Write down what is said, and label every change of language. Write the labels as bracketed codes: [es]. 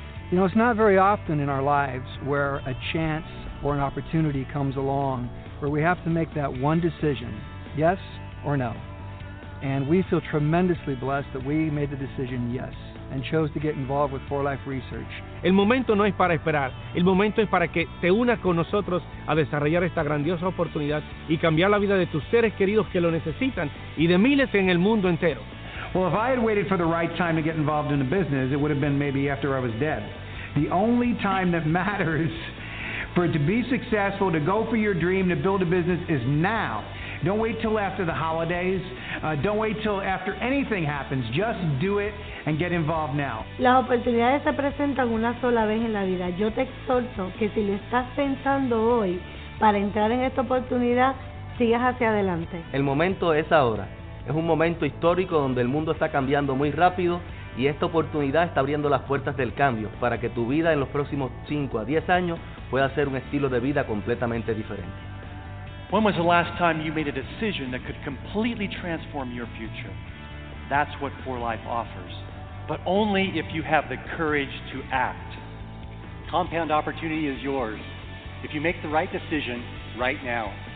[en] You know, it's not very often in our lives where a chance or an opportunity comes along where we have to make that one decision, yes or no. And we feel tremendously blessed that we made the decision yes and chose to get involved with 4Life Research. [es] El momento no es para esperar. El momento es para que te unas con nosotros a desarrollar esta grandiosa oportunidad y cambiar la vida de tus seres queridos que lo necesitan y de miles en el mundo entero. [en] Well, if I had waited for the right time to get involved in a business, it would have been maybe after I was dead. The only time that matters for it to be successful, to go for your dream, to build a business, is now. Don't wait till after the holidays. Don't wait till after anything happens. Just do it and get involved now. [es] Las oportunidades se presentan una sola vez en la vida. Yo te exhorto que si lo estás pensando hoy para entrar en esta oportunidad, sigas hacia adelante. El momento es ahora. Es un momento histórico donde el mundo está cambiando muy rápido y esta oportunidad está abriendo las puertas del cambio para que tu vida en los próximos 5 a 10 años pueda ser un estilo de vida completamente diferente. [en] When was the last time you made a decision that could completely transform your future? That's what 4Life offers, but only if you have the courage to act. Compound opportunity is yours if you make the right decision right now.